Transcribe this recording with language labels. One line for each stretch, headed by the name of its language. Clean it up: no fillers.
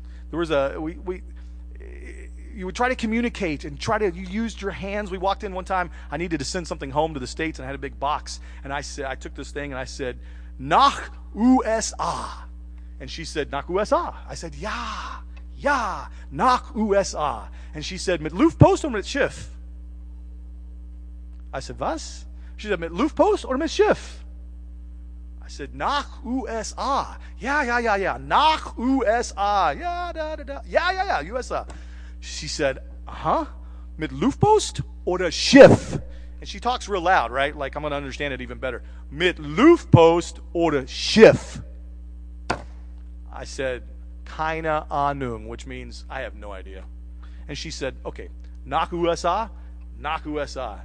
English: There was you would try to communicate and try to, you used your hands. We walked in one time, I needed to send something home to the States and I had a big box. And I said, I took this thing and I said,
German: nach USA.
English: And she said,
German: nach USA.
English: I said, yeah, nach USA. And she said,
German: mit Luftpost oder mit Schiff?
English: I said,
German: was?
English: She said,
German: mit Luftpost oder mit Schiff? I said, nach USA.
English: Yeah,
German: nach USA.
English: Yeah, USA. She said, uh-huh,
German: mit Luftpost oder Schiff?
English: And she talks real loud, right? Like, I'm going to understand it even better.
German: Mit Luftpost oder Schiff?
English: I said,
German: keine Ahnung,
English: which means I have no idea. And she said, okay,
German: nach USA, nach USA.